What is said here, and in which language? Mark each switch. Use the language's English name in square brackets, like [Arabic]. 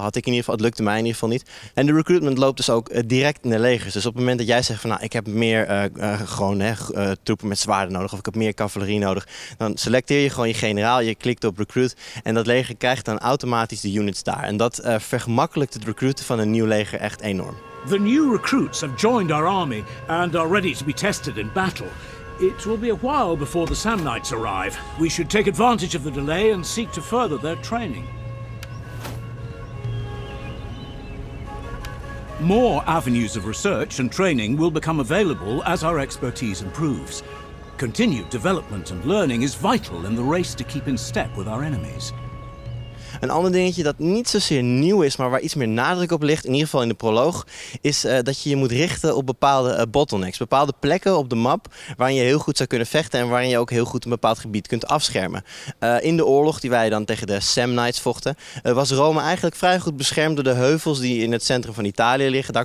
[Dutch] Had ik in ieder geval, het lukte mij in ieder geval niet. En de recruitment loopt dus ook direct in de legers. Dus op het moment dat jij zegt van nou, ik heb meer troepen met zwaarden nodig of ik heb meer cavalerie nodig, dan selecteer je gewoon je generaal, je klikt op recruit en dat leger krijgt dan automatisch de units daar. En dat vergemakkelijkt het recruiten van een nieuw leger echt enorm. [English] The new recruits have joined our army and are ready to be tested in battle. It will be a while before the Samnites arrive. We should take advantage of the delay and seek to further their training. More avenues of research and training will become available as our expertise improves. Continued development and learning is vital in the race to keep in step with our enemies. [Dutch] Een ander dingetje dat niet zozeer nieuw is, maar waar iets meer nadruk op ligt, in ieder geval in de proloog, is dat je je moet richten op bepaalde bottlenecks. Bepaalde plekken op de map waarin je heel goed zou kunnen vechten en waarin je ook heel goed een bepaald gebied kunt afschermen. In de oorlog die wij dan tegen de Samnites vochten, was Rome eigenlijk vrij goed beschermd door de heuvels die in het centrum van Italië liggen.